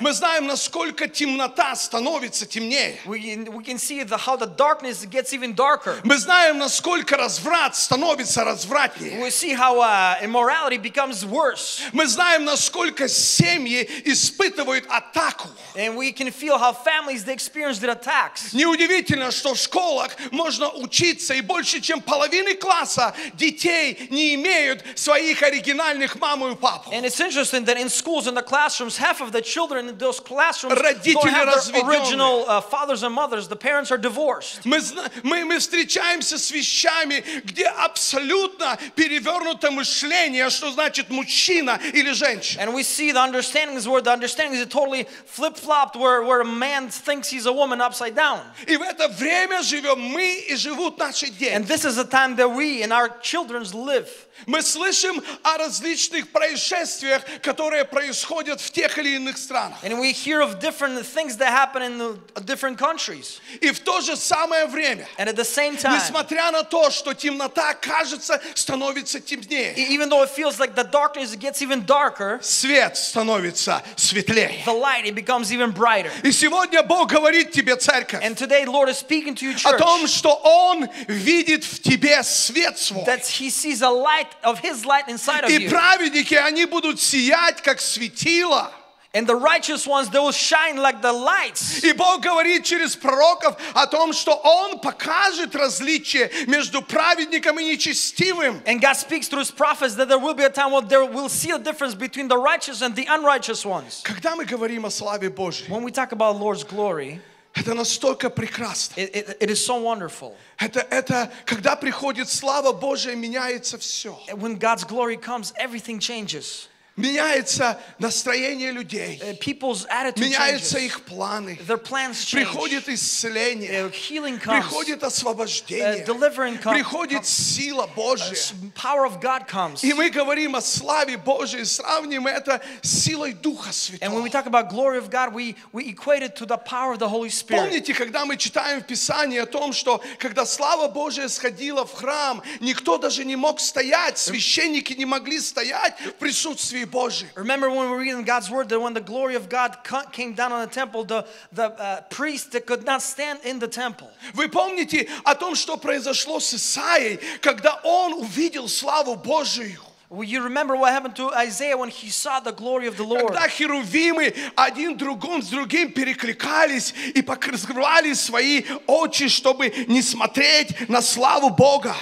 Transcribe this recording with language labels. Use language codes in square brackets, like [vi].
[ru] Мы знаем, насколько темнота становится темнее. [en] We can see how the darkness gets even darker. [ru] Мы знаем, насколько разврат становится развратнее. [en] We see how immorality becomes worse. [ru] Мы знаем, насколько семьи испытывают атаку. [en] And we can feel how families they experience their attacks. [ru] Неудивительно, что в школах можно учиться, и больше, чем половины класса детей не имеют своих оригинальных маму и папу. [en] And it's interesting that in schools, in the classrooms, half of the children in those classrooms don't have their original fathers and mothers. The parents are divorced. [ru] Мы встречаемся с вещами, где абсолютно перевернуто мышление, что значит мужчина или женщина. [en] And we see the understandings are totally flip-flopped, where a man thinks he's a woman upside down. [ru] И в это время живем мы и живут наши дети. [en] And this is the time that we and our children live. [ru] Мы слышим о различных происшествиях, которые происходят в тех или иных странах. [en] And we hear of different things that happen in the different countries. [ru] И в то же самое время, [en] and at the same time, [ru] несмотря на то, что темнота кажется становится темнее, [en] even though it feels like the darkness gets even darker, [ru] свет становится светлее. [en] The light, it becomes even brighter. [ru] И сегодня Бог говорит тебе, церковь, [en] and today the Lord is speaking to you, church, [ru] о том, что Он видит в тебе свет свой. [en] That He sees a light of His light inside of you. [ru] И праведники, они будут сиять, как светило. [en] And the righteous ones, they will shine like the lights. [ru] И Бог говорит через пророков о том, что Он покажет различие между праведником и нечестивым. [en] And God speaks through His prophets that there will be a time where they will see a difference between the righteous and the unrighteous ones. [ru] Когда мы говорим о славе Божьей, [en] when we talk about the Lord's glory, [ru] это настолько прекрасно. [en] It is so wonderful. [ru] Это когда приходит слава Божия, меняется все. [en] When God's glory comes, everything changes. [ru] Меняется настроение людей. [en] People's attitude [ru] меняются [en] changes. [ru] Их планы. [en] Their plans change. [ru] Приходит исцеление. [en] Healing comes. [ru] Приходит освобождение. [en] Delivering comes. [ru] Приходит сила Божия. [en] Power of God comes. [ru] И мы говорим о славе Божией, сравним это с силой Духа Святого. [en] And when we talk about glory of God, we equate it to the power of the Holy Spirit. [ru] Помните, когда мы читаем в Писании о том, что когда слава Божия сходила в храм, никто даже не мог стоять, священники не могли стоять в присутствии. [en] Remember when we read in God's word that when the glory of God came down on the temple, the priest that could not stand in the temple. [ru] Вы помните о том, что произошло с Исаией, когда он увидел славу Божию? [en] You remember what happened to Isaiah when he saw the glory of the Lord? [ru] Когда херувимы один другом с другим перекликались и покрывали свои очи, чтобы не смотреть на славу Бога.